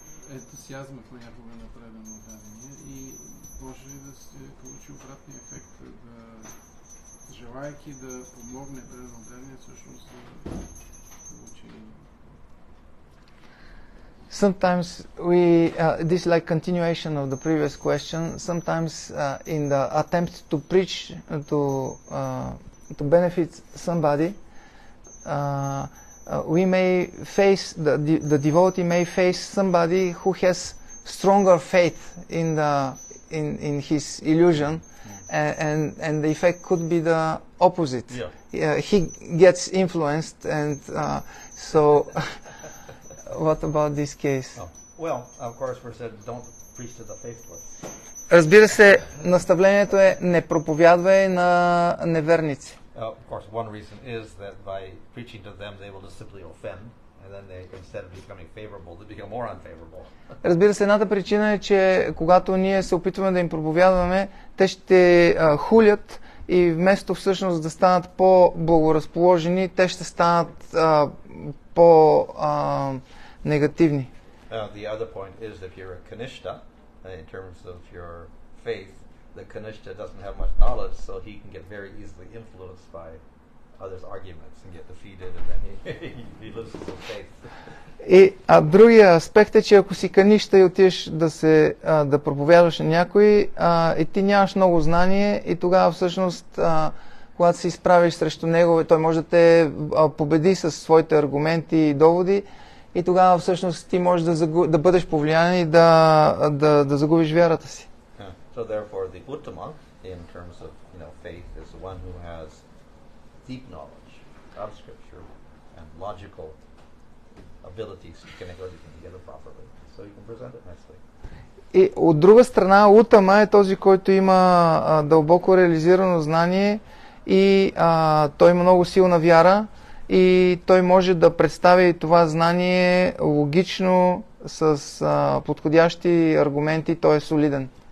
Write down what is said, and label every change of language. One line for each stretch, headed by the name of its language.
Bulgarian: ентусиазма, понякога напредено дадение, и може ли да се получи обратния ефект, да желайки да помогне предано дадение, всъщност да получи.
English: Sometimes we this is like continuation of the previous question. Sometimes in the attempt to preach to benefit somebody, we may face the devotee may face somebody who has stronger faith in the in his illusion, and the effect could be the opposite. Yeah. He gets influenced, and so. What about this case? Oh. Well, of course, we said don't preach to the faithless.
Bulgarian: Разбира се, наставлението е не проповядвай на неверници.
English: Of course, one reason is that by preaching to them, they will just simply offend, and then they, instead of becoming favorable, they become more unfavorable.
Bulgarian: Разбира се, едната причина е, че когато ние се опитваме да им проповядваме, те ще хулят и вместо всъщност да станат по-благоразположени, те ще станат по негативни.
English: The other point is if you're a kanishta, in terms of your faith, the kanishta doesn't have much knowledge, so he can get very easily influenced by others' arguments and get defeated, and then he loses his faith.
Bulgarian: И другия аспект е, че ако си каништа и отиш да се да проповядваш на някой, и ти нямаш много знание, и тогава всъщност когато се изправиш срещу него, той може да те победи със своите аргументи и доводи, и тогава всъщност ти можеш да бъдеш повлиян и да загубиш вярата си.
English: So therefore the uttama in terms of, you know, faith is the one who has deep knowledge of scripture and logical abilities to connect everything together properly, so you can present it nicely.
Bulgarian: И от друга страна утама е този, който има дълбоко реализирано знание, и той има много силна вяра, и той може да представи това знание логично с подходящи аргументи, той е солиден.